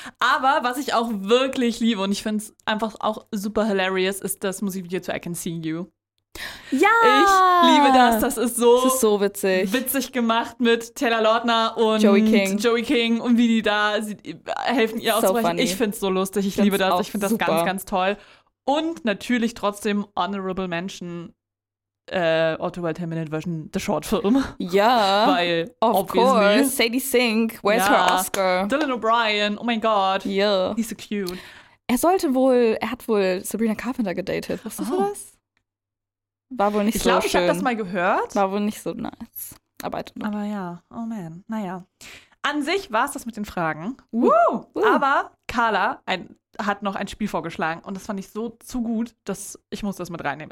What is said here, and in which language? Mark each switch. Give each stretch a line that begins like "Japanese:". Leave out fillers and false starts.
German: Aber was ich auch wirklich liebe und ich finde es einfach auch super hilarious, ist das Musikvideo zu I Can See You. Ja! Ich liebe das. Das ist so witzig. Witzig gemacht mit Taylor Lautner und Joey King und wie die da helfen ihr auszubrechen. Ich finde es so lustig. Ich liebe das. Ich finde das ganz, ganz toll. Und natürlich trotzdem Honorable Mention.
English: Otto by 10 Minute Version, The Short Film.
German: Ja. Weil,
English: of course. Sadie Sink, where's her Oscar?
German: Dylan O'Brien, oh mein Gott. Ja. Yeah.
English: He's so cute.
German: Er hat wohl Sabrina Carpenter gedatet. Wusstest du das? War wohl nicht so schön. Ich glaube, ich habe das mal gehört. War wohl nicht so nice. Aber ja, oh man, naja. An sich war es das mit den Fragen. Woo! Aber Carla hat noch ein Spiel vorgeschlagen und das fand ich so zu gut, dass ich muss das mit reinnehmen.